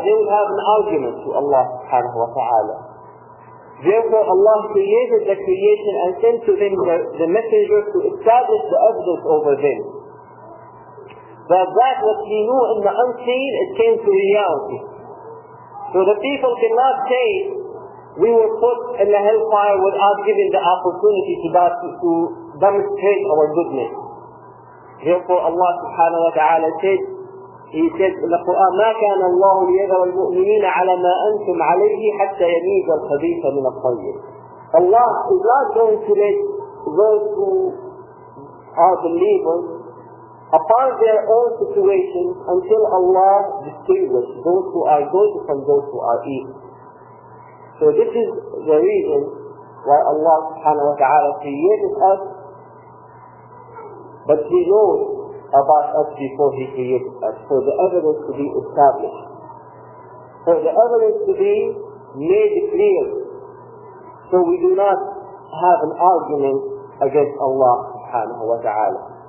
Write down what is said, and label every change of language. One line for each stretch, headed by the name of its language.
English: They will have an argument to Allah subhanahu wa ta'ala. Therefore Allah created the creation and sent to them the messenger to establish the evidence over them. But that what he knew in the unseen, it came to reality. So the people cannot say, we were put in the hellfire without giving the opportunity to demonstrate our goodness. Therefore Allah subhanahu wa ta'ala said, He said in the Quran,
Arabic: مَا كَانَ اللَّهُ لِيَذَرَ الْمُؤْمِنِينَ عَلَى مَا أَنْتُمْ عَلَيْهِ حَتَّى يَمِيزَ الْخَبِيثَ مِنَ الطَّيِّبِ.
English: Allah is not going to let those who are believers apart their own situation until Allah distinguishes those who are good from those who are evil. So this is the reason why Allah subhanahu wa ta'ala created us, but He knows about us before He created us, for the evidence to be established, for the evidence to be made clear, so we do not have an argument against Allah subhanahu wa ta'ala.